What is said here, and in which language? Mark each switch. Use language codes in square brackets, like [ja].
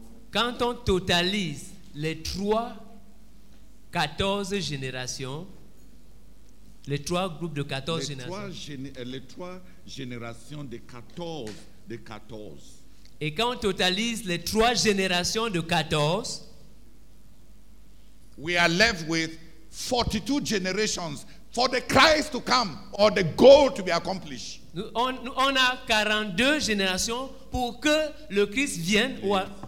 [fr] Quand on totalise les trois 14 générations, les trois groupes de 14 générations. Les trois générations de 14, de 14. Et quand on totalise les trois générations de 14, [en] we are left with 42 generations for the Christ to come or the goal to be accomplished. [fr] On a 42 générations pour que le Christ vienne. Ou à...